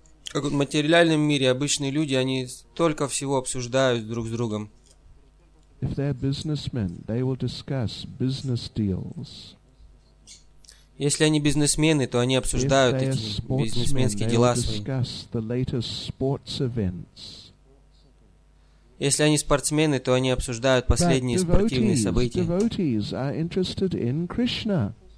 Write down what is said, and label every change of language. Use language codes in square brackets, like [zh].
[ru] Как в материальном мире обычные люди, они столько всего обсуждают друг с другом. [en] If they're businessmen, they will discuss business deals. [ru] Если они бизнесмены, то они обсуждают эти бизнесменские дела свои. [en] They will discuss the latest sports events. [ru] Если они спортсмены, то они обсуждают последние спортивные события. [en] Devotees are interested in Krishna.